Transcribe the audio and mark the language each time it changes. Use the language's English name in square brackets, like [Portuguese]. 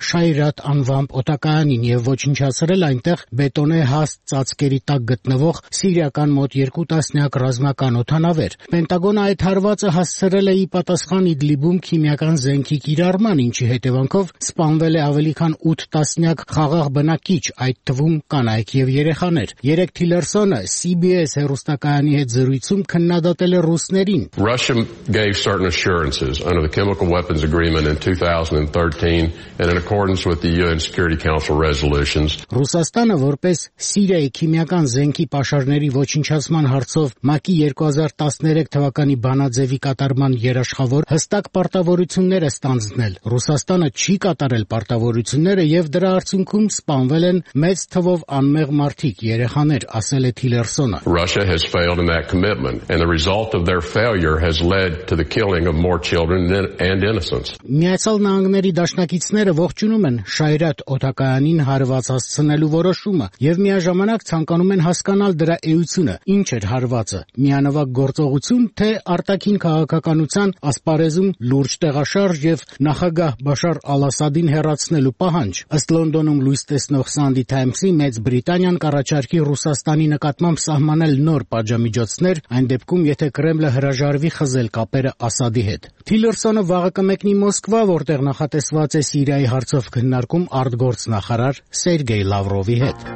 [Armenian] Շայրատ անվամբ օտակայանին և ոչնչացրել այնտեղ բետոնե հաստ ծածկերի տակ գտնվող սիրիական մոտ 2 տասնյակ ռազմական օդանավեր։ Պենտագոնը այդ հարվածը հասցրել է ի պատասխան Իդլիբում քիմիական զենքի կիրառման, ինչի հետևանքով սպանվել է ավելի քան 8 տասնյակ խաղաղ բնակիչ, այդ թվում կանայք եւ երեխաներ։ Երեք Թիլերսոնը CBS հեռուստակայանի հետ զրույցում քննադատել է ռուսներին. [English] Russia gave certain assurances under the chemical weapons agreement in 2013 and in accordance with the UN Security Council resolutions. [Armenian] Ռուսաստանը որպես Սիրիայի քիմիական զենքի պաշարների ոչնչացման հարցով ՄԱԿ-ի 2013 թվականի բանաձևի կատարման երաշխավոր հստակ պարտավորություններ է ստանձնել։ Ռուսաստանը չի կատարել պարտավորությունները և դրա արդյունքում սպանվել են մեծ թվով անմեղ մարդիկ, երեխաներ, ասել է Թիլերսոնը։ [English] Russia has failed in that commitment and the result of their failure has led to the killing of more children and innocents. [Armenian] Միացյալ Նահանգների դաշնակիցները ողջունում են Շայրատ օդակայանին հարված հասցնելու որոշումը և միաժամանակ ցանկանում են հասկանալ դրա էությունը։ Ինչ էր հարվածը, միանավակ գործողություն, թե արտաքին քաղաքականության ասպարեզում լուրջ տեղաշարժ և նախագահ Բաշար Ալ-Ասադին հերացնելու պահանջ։ Ըստ Լոնդոնում լույս տեսնող Սանդի Թայմսի, Մեծ Բրիտանիան կառաջարկի Ռուսաստանի նկատմամբ սահմանել նոր պատժամիջոցներ, այն դեպքում, եթե Կրեմլը հրաժարվի խզել կապերը Ասադի հետ։ Թիլերսոնը վաղը կմեկնի Մոսկվա, որտեղ նախատեսված է Սիրիայի հարցով քննարկում արտգործնախարար Սերգեյ Լավրովի հետ։